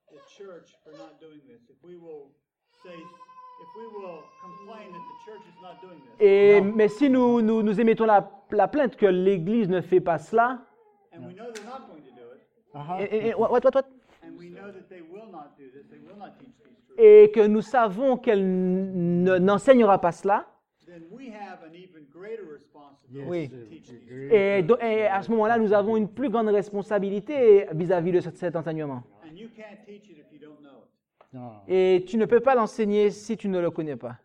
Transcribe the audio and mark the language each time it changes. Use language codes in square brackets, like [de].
[en] the church for not doing this, if we will say, if we will complain that the church is not doing this. Et no. [fr] Mais si nous émettons la plainte que l'église ne fait pas cela. [en] And we know they're not going to do it. What? And we know that they will not do this. They will not teach these truths. [fr] Et que nous savons qu'elle n'enseignera pas cela. [en] Then we have an even greater responsibility. Yes, oui. [fr] Et à ce moment-là, nous avons une plus grande responsabilité vis-à-vis de cet enseignement. [en] And you can't teach it if you don't know it. No. [fr] Et tu ne peux pas l'enseigner si tu ne le connais pas.